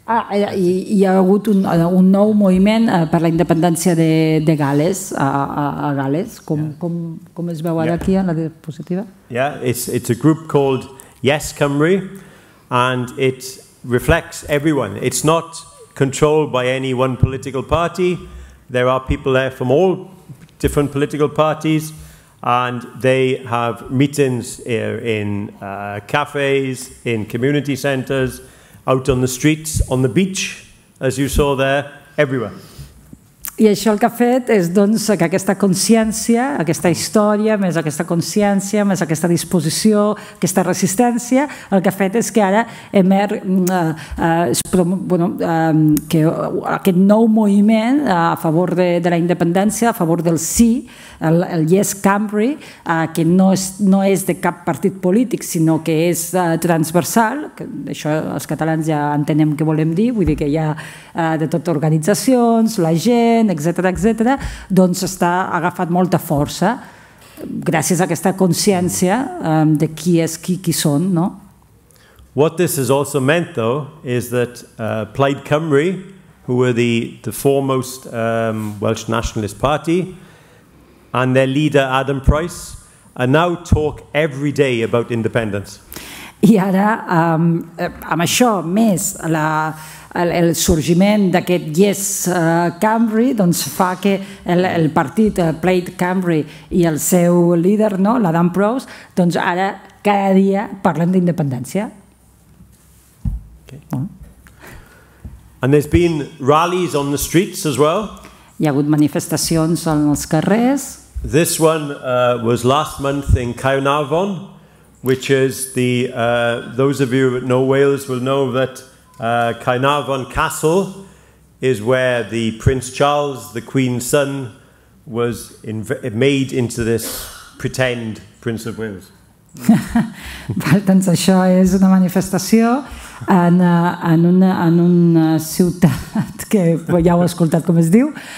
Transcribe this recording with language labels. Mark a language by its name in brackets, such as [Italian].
[Catalan] Ah, hi ha hagut un nou moviment per la independència de Gales, a Gales. Com es veu ara aquí en la diapositiva? [English] Yeah, it's a group called Yes Cymru, and it reflects everyone. It's not controlled by any one political party. There are people there from all different political parties, and they have meetings here in cafes, in community centers, out on the streets, on the beach, as you saw there, everywhere. [Catalan] I això el que ha fet és, doncs, que aquesta consciència, aquesta història, més aquesta consciència, més aquesta disposició, aquesta resistència, el que ha fet és que ara emerg, que aquest nou moviment a favor de la independència, a favor del sí, el Yes Cymru, que no és de cap partit polític, sinó que és transversal, que això els catalans ja entenem què volem dir, vull dir que hi ha de tot organitzacions, la gent, etc., doncs està agafat molta força gràcies a aquesta consciència de qui és qui són, no? [English] What this has also meant, though, is that Plaid Cymru, who were the foremost Welsh Nationalist Party, and their leader Adam Price, are now talk every day about independence. [Catalan] I ara, amb això, més la el sorgiment d'aquest Yes Cymru, doncs fa que el partit Plaid Cymru i el seu líder, no, l'Adam Prowse, doncs ara cada dia parlen d'independència. [English] Okay. And there's been rallies on the streets as well. [Catalan] Hi ha hagut manifestacions en els carrers. [English] This one was last month in Caernarfon, which is the those of you that know Wales will know that Caernarfon Castle is where the Prince Charles, the Queen's son, was made into this pretend Prince of Wales. [Catalan] Val, doncs això és una manifestació en una ciutat que ja heu escoltat com es diu,